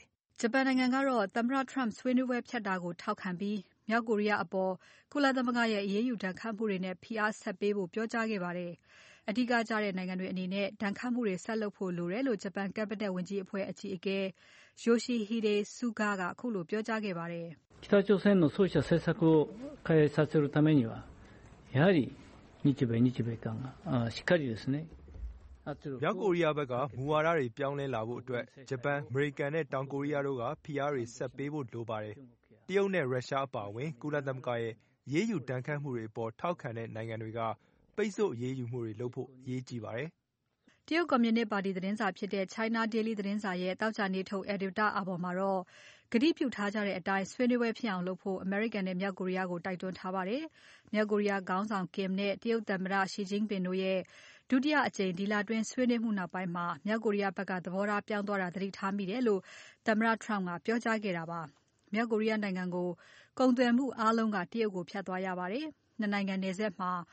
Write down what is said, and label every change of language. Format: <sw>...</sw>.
<my>။ဂျပန်နိုင်ငံကတော့တမ်ဘရာထရမ့်ဆွေးနွေးပွဲဖြတ်တာကိုထောက်ခံပြီးမြောက်ကိုရီးယားအပေါ်ကုလသမဂ္ဂရဲ့အရေးယူဒဏ်ခတ်မှုတွေနဲ့ဖိအားဆက်ပေးဖို့ပြောကြားခဲ့ပါတယ်။အဓိကကြားတဲ့နိုင်ငံတွေအနေနဲ့ဒဏ်ခတ်မှုတွေဆက်လုပ်ဖို့လိုတယ်လို့ဂျပန်ကက်ဘိနက်ဝန်ကြီးအဖွဲ့အကြီးအကဲယိုရှိဟီဒေဆူဂါကအခုလိုပြောကြားခဲ့ပါတယ်</my> <ja>။北朝鮮のそうした政策を変えさせるためにはやはり日米日米間がしっかりですね。</ja> <my>ရောက်ကိုရီးယားဘက်ကမူဝါဒတွေပြောင်းလဲလာဖို့အတွက်ဂျပန်၊အမေရိကန်နဲ့တောင်ကိုရီးယားတို့ကဖိအားတွေဆက်ပေးဖို့လိုပါတယ်။တရုတ်နဲ့ရုရှားအပါအဝင်ကုလသမဂ္ဂရဲ့ရေးယူတန်းခတ်မှုတွေပေါ်ထောက်ခံတဲ့နိုင်ငံတွေကပိတ်ဆို့ရေးယူမှုတွေလုပ်ဖို့ရေးကြည့်ပါတယ် ။တရုတ်ကွန်မြူနစ်ပါတီသတင်းစာဖြစ်တဲ့ China Daily သတင်းစာရဲ့တောက်ချနေထုတ် Editor အပေါ်မှာတော့ကတိပြုထားကြတဲ့အတိုင်းဆွေးနွေးပွဲဖြစ်အောင်လုပ်ဖို့အမေရိကန်နဲ့မြောက်ကိုရီးယားကိုတိုက်တွန်းထားပါတယ်။မြောက်ကိုရီးယားခေါင်းဆောင်ကင်နဲ့တရုတ်သမ္မတရှီဂျင်းပင်တို့ရဲ့ဒုတိယအကြိမ်ဒီလာတွင်ဆွေးနွေးမှုနောက်ပိုင်းမှာမြောက်ကိုရီးယားဘက်ကသဘောထားပြောင်းသွားတာသတိထားမိတယ်လို့သမ္မတထရမ့်ကပြောကြားခဲ့တာပါ။မြောက်ကိုရီးယားနိုင်ငံကိုကုံသွယ်မှုအားလုံးကတရုတ်ကိုဖြတ်သွားရပါတယ်။နှစ်နိုင်ငံနယ်စပ်မှာ</my>